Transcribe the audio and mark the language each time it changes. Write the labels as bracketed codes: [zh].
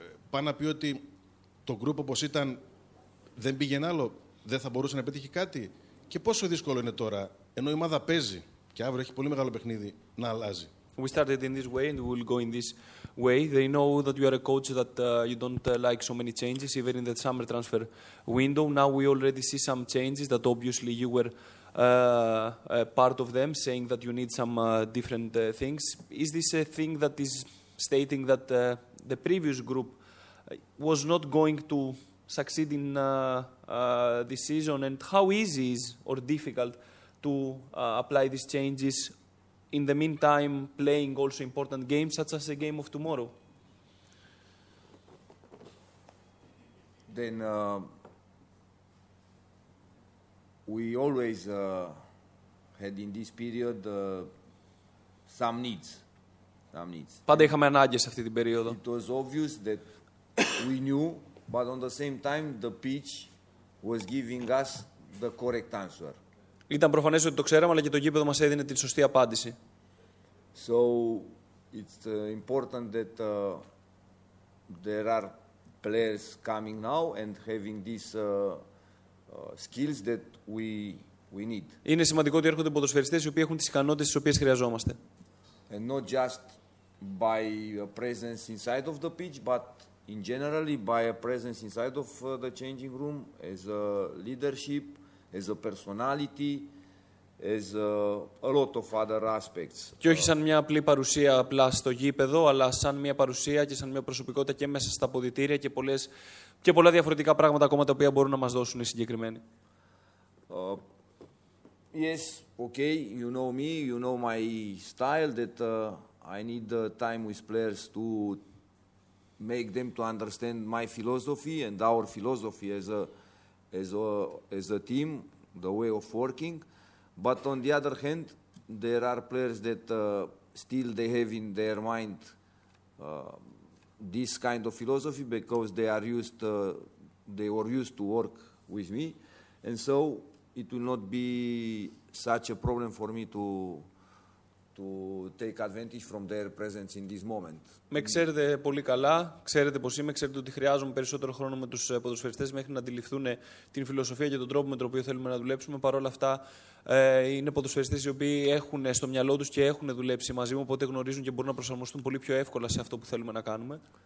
[el] Πάει να πει ότι το γκρουπ όπως ήταν δεν πήγαινε άλλο, δεν θα μπορούσε να πετύχει κάτι. Και πόσο δύσκολο είναι τώρα, ενώ η ομάδα παίζει και αύριο έχει πολύ μεγάλο παιχνίδι, να αλλάζει. [en] We started in this way and we will go in this way. They know that you are a coach that you don't like so many changes, even in the summer transfer window. Now we already see some changes that obviously you were part of them, saying that you need some different things. Is this a thing that is stating that the previous group was not going to succeed in this season, and how easy is or difficult to apply these changes in the meantime, playing also important games such as the game of tomorrow? Then we always had in this period some needs. [el] Πάντα είχαμε ανάγκες σε αυτή την περίοδο. [en] It was obvious that we knew, but on the same time the pitch was giving us the correct answer. [el] Ήταν προφανές ότι το ξέραμε, αλλά και το γήπεδο μας έδινε την σωστή απάντηση. [en] So it's important that there are players coming now and having these skills that we need. [el] Είναι σημαντικό ότι έρχονται ποδοσφαιριστές οι οποίοι έχουν τις ικανότητες τις οποίες χρειαζόμαστε. [en] And not just by a presence inside of the pitch, but in generally by a presence inside of the changing room, as a leadership, as a personality, as a lot of other aspects. [el] Και όχι σαν μια απλή παρουσία απλά στο γήπεδο, αλλά σαν μια παρουσία και σαν μια προσωπικότητα και μέσα στα αποδυτήρια και πολλές και πολλά διαφορετικά πράγματα ακόμα τα οποία μπορούν να μας δώσουν οι συγκεκριμένοι. [en] Yes, okay, you know me, you know my style, that I need the time with players to make them to understand my philosophy and our philosophy as a team, the way of working. But on the other hand, there are players that still they have in their mind this kind of philosophy because they were used to work with me, and so it will not be such a problem for me to take advantage from their presence in this moment. [el] Με ξέρετε πολύ καλά, ξέρετε πως είμαι, ξέρετε ότι χρειάζομαι περισσότερο χρόνο με τους ποδοσφαιριστές μέχρι να αντιληφθούν την φιλοσοφία και τον τρόπο με τον οποίο θέλουμε να δουλέψουμε. Παρ' όλα αυτά, είναι ποδοσφαιριστές οι οποίοι έχουν στο μυαλό τους και έχουν δουλέψει μαζί μου, οπότε γνωρίζουν και μπορούν να προσαρμοστούν πολύ πιο εύκολα σε αυτό που θέλουμε να κάνουμε.